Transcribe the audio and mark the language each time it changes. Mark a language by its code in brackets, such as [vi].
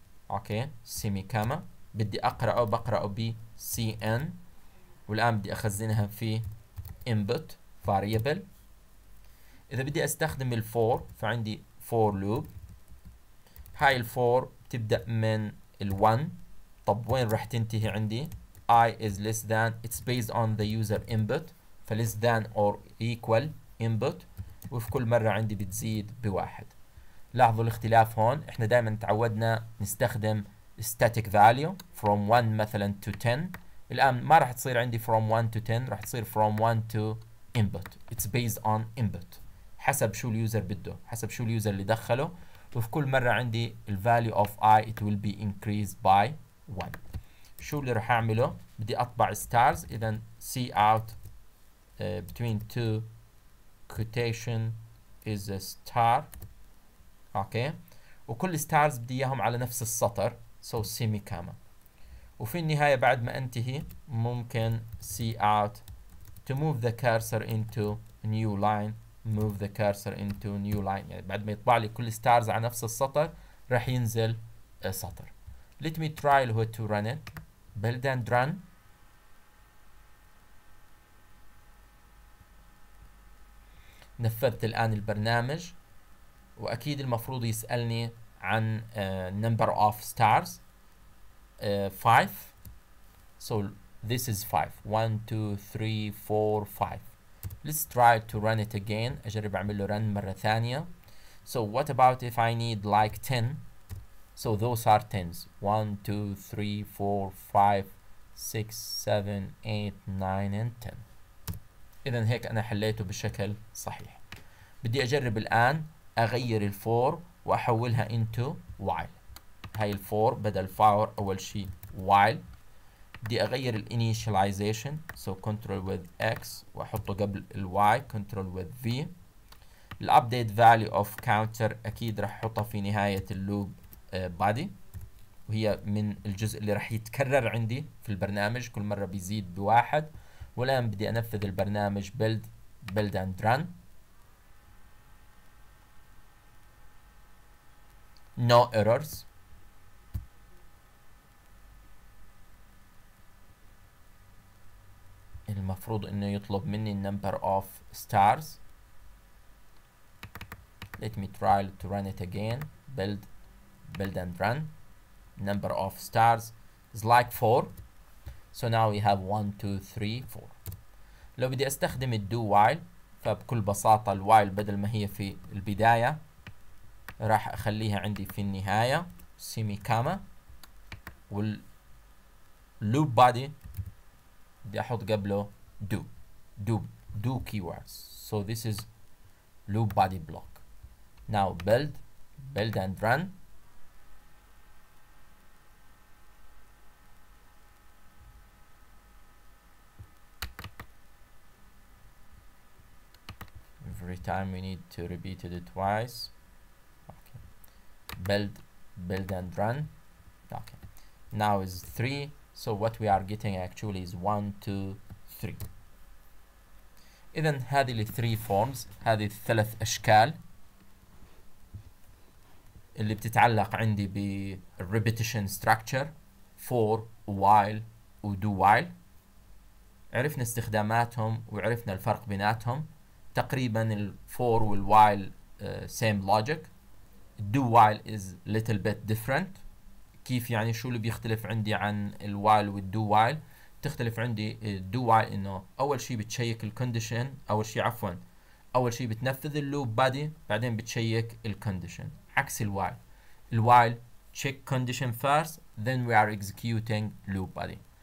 [ar] أوكي سيمي كاما بدي أقرأه بقرأه ب cn والآن بدي أخزنها في input variable. إذا بدي أستخدم ال for فعندي for loop. هاي ال for تبدأ من ال 1. طب وين راح تنتهي عندي؟ [en] I is less than it's based on the user input ف less than or equal input [ar] وفي كل مرة عندي بتزيد بواحد. لاحظوا الاختلاف هون. إحنا دائما تعودنا نستخدم [en] static value from 1 مثلا to 10. [ar] الآن ما راح تصير عندي [en] from 1 to 10 راح تصير from 1 to input. It's based on input [ar] حسب شو اليوزر بده حسب شو اليوزر اللي دخله وفي كل مرة عندي [en] value of i it will be increased by 1. [ar] شو اللي راح أعمله؟ بدي أطبع stars. [en] إذا see out between two quotation is a star. [ar] أوكي وكل stars بدي إياهم على نفس السطر [en] so semi comma. [ar] وفي النهاية بعد ما انتهي ممكن [en] see out to move the cursor into new line. Move the cursor into new line [ar] يعني بعد ما يطبع لي كل stars على نفس السطر راح ينزل سطر. [en] Let me try how to run it. Build and run. [ar] نفذت الآن البرنامج وأكيد المفروض يسألني عن [en] number of stars. 5. So this is 5. 1, 2, 3, 4, 5. Let's try to run it again. [ar] أجرب أعمل له run مرة ثانية. [en] So what about if I need like 10? So those are 10s. 1, 2, 3, 4, 5, 6, 7, 8, 9, and 10. [ar] إذن هيك أنا حليته بشكل صحيح. بدي أجرب الآن أغير ال 4 وأحولها into while. هاي الفور بدل فاور أول شيء while. بدي أغير الانيشاليزيشن [en] so control with x [ar] وأحطه قبل ال y [en] control with v. [ar] الابديت [en] value of counter [ar] أكيد رح أحطها في نهاية اللوب بادي، وهي من الجزء اللي راح يتكرر عندي في البرنامج، كل مرة بيزيد بواحد. والآن بدي أنفذ البرنامج [en] build and run. No errors. [ar] المفروض انه يطلب مني [en] number of stars. Let me try to run it again. Build and run. Number of stars is like 4. So now we have 1, 2, 3, 4. [ar] لو بدي استخدم الدو وايل، فبكل بساطة الوايل بدل ما هي في البداية راح اخليها عندي في النهاية سيمي كاما، واللوب بادي بدي احط قبله do keywords. [en] So this is loop body block. Now build and run. Every time we need to repeat it twice. Okay. Build and run. Okay. Now is 3. So what we are getting actually is 1, 2, 3. [ar] إذن هذه الـ 3 forms، هذه الثلاث أشكال اللي بتتعلق عندي بـ repetition structure، for، while، و do while. عرفنا استخداماتهم وعرفنا الفرق بيناتهم. تقريبا الـ for والـ while [en] same logic. Do while is little bit different. [ar] كيف يعني؟ شو اللي بيختلف عندي عن الـ while والـ do while؟ تختلف عندي الدو وايل انه اول شيء بتشيك الكونديشن، اول شيء بتنفذ اللوب بادي، بعدين بتشيك الكونديشن، عكس الوايل. [en] الوايل check condition first, then we are executing loop body.